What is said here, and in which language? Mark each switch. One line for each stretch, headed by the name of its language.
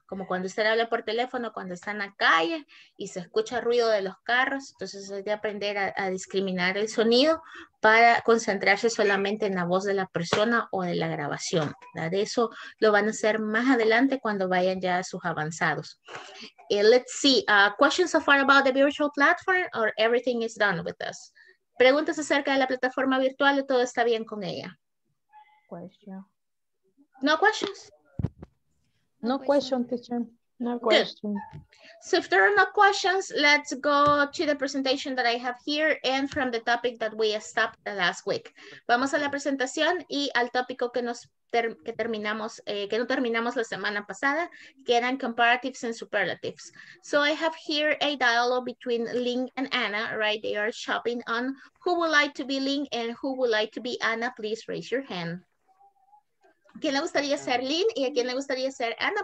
Spanish: Como cuando usted habla por teléfono, cuando está en la calle y se escucha ruido de los carros, entonces es de aprender a discriminar el sonido para concentrarse solamente en la voz de la persona o de la grabación, ¿verdad? Eso lo van a hacer más adelante cuando vayan ya a sus avanzados.
English: Let's see, questions so far about the virtual platform or everything is done with us?
Spanish: ¿Preguntas acerca de la plataforma virtual o todo está bien con ella?
English: No questions? No question, teacher. Good. So if there are no questions, let's go to the presentation that I have here and from the topic that we stopped the last week.
Spanish: Vamos a la presentación y al tópico que no terminamos la semana pasada, que eran
English: comparatives and superlatives. So I have here a dialogue between Ling and Anna, right? They are shopping on who would like to be Ling and who would like to be Anna. Please raise your hand.
Spanish: ¿Quién le gustaría ser Lynn y a quién le gustaría ser Anna?